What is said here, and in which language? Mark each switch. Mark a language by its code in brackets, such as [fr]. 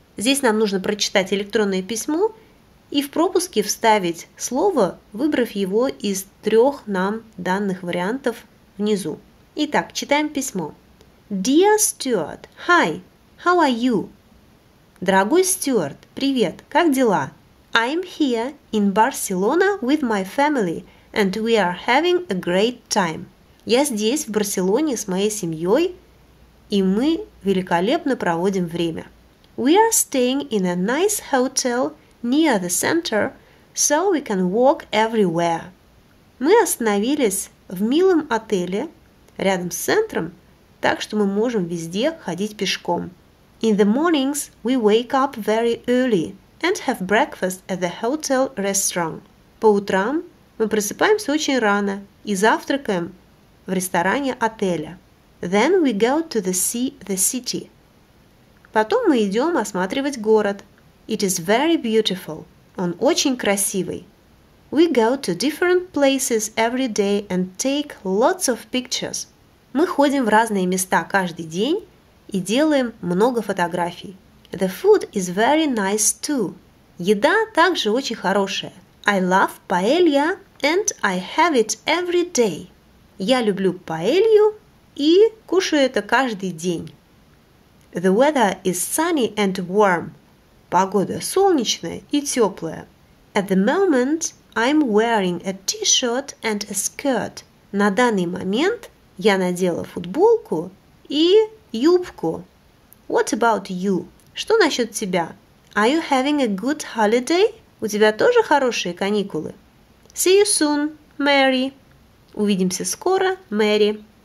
[ru] Здесь нам нужно прочитать электронное письмо и в пропуске вставить слово, выбрав его из трех нам данных вариантов внизу. Итак, читаем письмо. [en] Dear Stuart, hi, how are you? [ru] Дорогой Стюарт, привет, как дела? [en] I'm here in Barcelona with my family and we are having a great time. [ru] Я здесь, в Барселоне, с моей семьей, и мы великолепно проводим время. [en] We are staying in a nice hotel near the center, so we can walk everywhere. [ru] Мы остановились в милом отеле рядом с центром, так что мы можем везде ходить пешком. [en] In the mornings we wake up very early and have breakfast at the hotel restaurant. [ru] По утрам мы просыпаемся очень рано и завтракаем в ресторане отеля. [en] Then we go to the city. [ru] Потом мы идем осматривать город. [en] It is very beautiful. [ru] Он очень красивый. [en] We go to different places every day and take lots of pictures. [ru] Мы ходим в разные места каждый день и делаем много фотографий. [en] The food is very nice too. [ru] Еда также очень хорошая. [en] I love paella and I have it every day. [ru] Я люблю паэлью и кушаю это каждый день. [en] The weather is sunny and warm. [ru] Погода солнечная и теплая. [en] At the moment, I'm wearing a t-shirt and a skirt. [ru] На данный момент я надела футболку и юбку. [en] What about you? [ru] Что насчет тебя? [en] Are you having a good holiday? [ru] У тебя тоже хорошие каникулы? [en] See you soon, Mary. [ru] Увидимся скоро, Мэри.